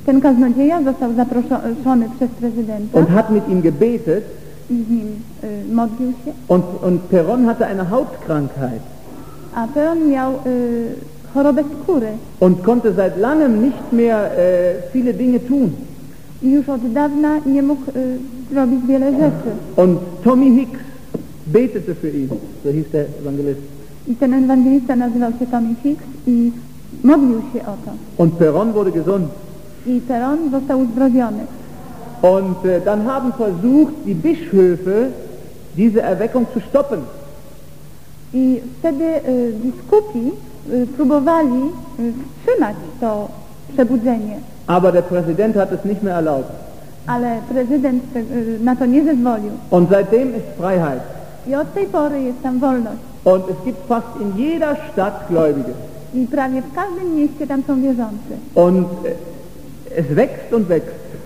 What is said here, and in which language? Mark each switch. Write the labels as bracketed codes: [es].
[pl] Ten kaznodzieja został zaproszony przez prezydenta. [de] Und hat mit ihm gebetet. [pl] I z nim modlił się. [de] Und Peron hatte eine Hautkrankheit. [pl] A Peron miał chorobę skóry. [de] Und konnte seit langem nicht mehr viele Dinge tun. [pl] I już od dawna nie mógł zrobić wiele rzeczy. [de] Und Tommy Hicks betete für ihn, so hieß der Evangelist. [pl] I ten ewangelista nazywał się Tommy Hicks i modlił się o to. [de] Und Peron wurde gesund. [pl] I Peron został uzdrowiony. [de] Und dann haben versucht die Bischöfe diese Erweckung zu stoppen. [pl] I wtedy biskupi próbowali wstrzymać to przebudzenie. [de] Aber der Präsident hat es nicht mehr erlaubt. [pl] Ale prezydent na to nie zezwolił. [de] Und seitdem ist Freiheit. [pl] I od tej pory jest tam wolność. [de] Und es gibt fast in jeder Stadt Gläubige. [pl] I prawie w każdym mieście tam są wierzący. [de] Und es wächst und wächst.